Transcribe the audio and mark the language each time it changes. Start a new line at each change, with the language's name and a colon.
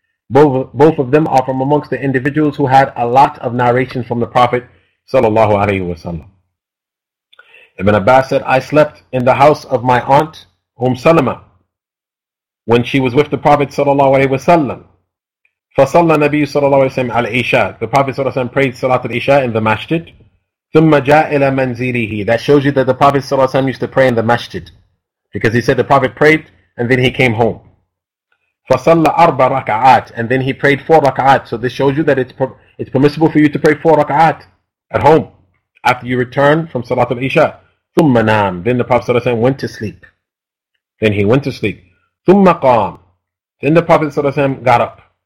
English: Both of them are from amongst the individuals who had a lot of narration from the Prophet sallallahu alaihi wasallam. Ibn Abbas said, I slept in the house of my aunt, Salama, when she was with the Prophet sallallahu alaihi wasallam.
Arabic: فَصَلَّ النَّبِيُّ صَلَى اللَّهُ عَلَيْهِ وَسَلَّمْ عَلَى إِشَاءَ
English: The Prophet
Arabic: صَلَى اللَّهُ عَلَيْهِ وَسَلَّمْ
English: prayed Salat al-Isha in the masjid.
Arabic: ثُمَّ جَاءَ إِلَى مَنْزِلِهِ
English: That shows you that the Prophet
Arabic: صَلَى اللَّهُ عَلَيْهِ وَسَلَّمْ
English: used to pray in the masjid. Because he said the Prophet prayed and then he came home.
Arabic: فَصَلَّ أَرْبَ رَكَعَاتِ
English: And then he prayed four rak'at. So this shows you that it's permissible for you to pray four rak'at at home after you return from Salat al-Isha.
Arabic: ثُمَّ نَامَ
English: Then the Prophet
Arabic: صَلَى اللَّهُ عَلَيْهِ وَسَلَّمْ
English: went to sleep. Then he went to sleep.
Arabic: ثُمَّ قَامَ
English: Then the Prophet
Arabic: صَلَى اللَّهُ عَلَيْهِ وَسَلَّمْ
English: got up.